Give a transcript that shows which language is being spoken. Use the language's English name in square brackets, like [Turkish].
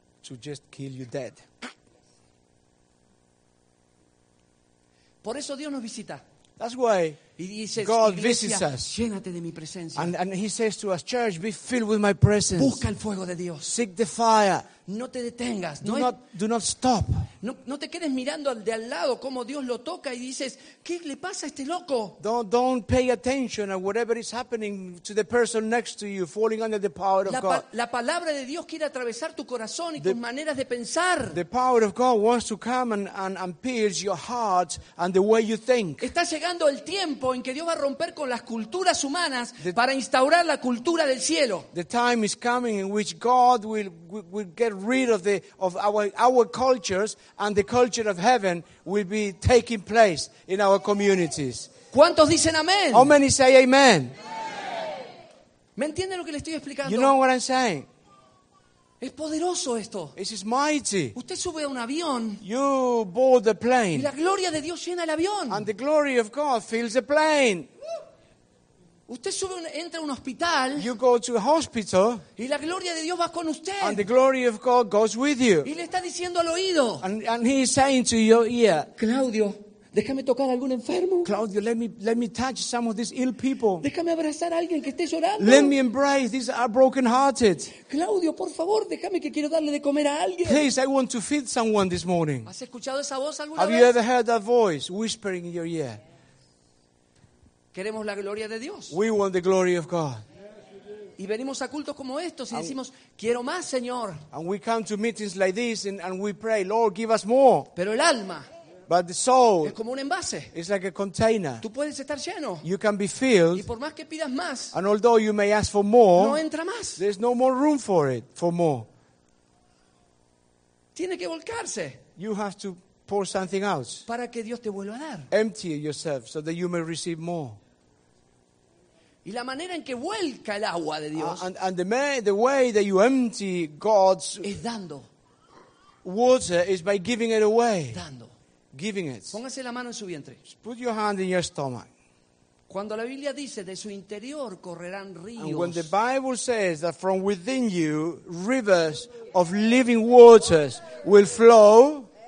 [English] To just kill you dead. [Spanish] Por eso Dios nos visita. [English] That's why God visits us. [Spanish] Llénate de mi presencia. [English] And he says to us, church, be filled with my presence. [Spanish] Busca el fuego de Dios. [English] Seek the fire. [Spanish] No te detengas. [English] Do not stop. [Spanish] No te quedes mirando al de al lado como Dios lo toca y dices, ¿qué le pasa a este loco? [English] Don't pay attention at whatever is happening to the person next to you falling under the power of God. [Spanish] La palabra de Dios quiere atravesar tu corazón y tus maneras de pensar. [English] The power of God wants to come and pierce your heart and the way you think. [Spanish] Está llegando el tiempo en que Dios va a romper con las culturas humanas para instaurar la cultura del cielo. [English] The time is coming in which God will get rid of our cultures, and the culture of heaven will be taking place in our communities. [Spanish] ¿Cuántos dicen amén? [English] How many say amen? [Spanish] ¿Me entiende lo que le estoy explicando? [English] You know what I'm saying? [Spanish] Es poderoso esto. [English] This is mighty. [Spanish] Usted sube a un avión. [English] You board the plane. [Spanish] Y la gloria de Dios llena el avión. [English] And the glory of God fills the plane. [Spanish] Usted sube, entra a un hospital. [English] You go to a hospital. [Spanish] Y la gloria de Dios va con usted. [English] And the glory of God goes with you. [Spanish] Y le está diciendo al oído. [English] And he is saying to your ear. [Spanish] Claudio, Déjame tocar a algún enfermo. [English] Claudio, let me touch some of these ill people. [Spanish] Déjame abrazar a alguien que esté llorando. [English] Let me embrace these broken-hearted. [Spanish] Claudio, por favor, déjame que quiero darle de comer a alguien. [English] Please, I want to feed someone this morning. [Spanish] ¿Has escuchado esa voz alguna [English] Have [Spanish] vez? [English] You ever heard that voice whispering in your ear? [Spanish] Queremos la gloria de Dios. [English] We want the glory of God. [Spanish] Y venimos a cultos como estos y decimos, quiero más, Señor. [English] And we come to meetings like this and we pray, Lord, give us more. [Spanish] Pero el alma, [English] but the soul, [Spanish] es como un envase. [English] It's like a container. [Spanish] Tú puedes estar lleno. [English] You can be filled. [Spanish] Y por más que pidas más, [English] and although you may ask for more, [Spanish] no entra más. [English] There's no more room for it, for more. [Spanish] Tiene que volcarse. [English] You have to pour something out. [Spanish] Para que Dios te vuelva a dar. [English] Empty yourself so that you may receive more. [Spanish] Y la manera en que vuelca el agua de Dios [English] and the way that you empty God's [Spanish] es dando. [English] Water is by giving it away. [Spanish] Dando. [English] Giving it. [Spanish] Póngase la mano en su vientre. [English] Put your hand in your stomach. [Spanish] Cuando la Biblia dice de su interior correrán ríos. [English] And when the Bible says that from within you rivers of living waters will flow.